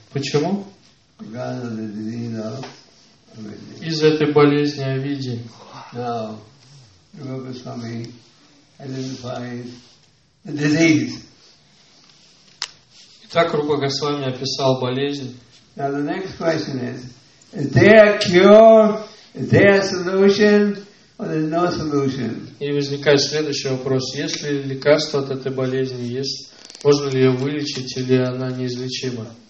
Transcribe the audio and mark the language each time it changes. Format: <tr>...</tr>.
<ru>Почему?</ru> <en>Because of the disease of avidya.</en> <ru>Из-за этой болезни авидьи.</ru> <en>Now, Rupa Goswami identified the disease.</en> <ru>Так Рупа Госвами описал болезнь.</ru> <en>Now the next question is there a cure? Is there a solution? Or there's no solution?</en> <ru>И возникает следующий вопрос: есть ли лекарство от этой болезни? Есть, можно ли ее вылечить или она неизлечима?</ru>